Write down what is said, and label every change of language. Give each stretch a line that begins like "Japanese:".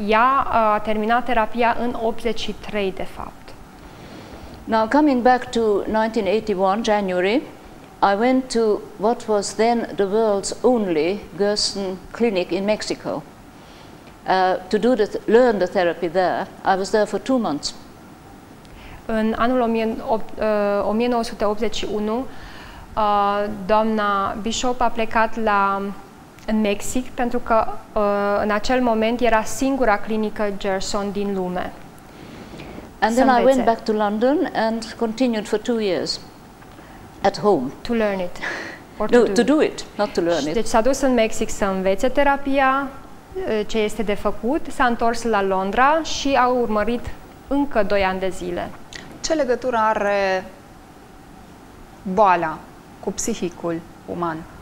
Romanian: Ea a terminat terapia în 83, de fapt.
English: Now, coming back to 1981, January, I went to what was then the world's only Gerson clinic in Mexico to learn the therapy there. I was there for 2 months.
Romanian: În anul 1981, doamna Bishop a plecat în Mexic pentru că în acel moment era singura clinică Gerson din lume.
English: And then I went back to London and continued for 2 years. At home. To learn it. Or no, to do it, not to learn it.
Romanian: Deci s-a dus în Mexic să învețe terapia, ce este de făcut, s-a întors la Londra și a urmărit încă 2 ani de zile. Ce legătură are boala cu psihicul uman?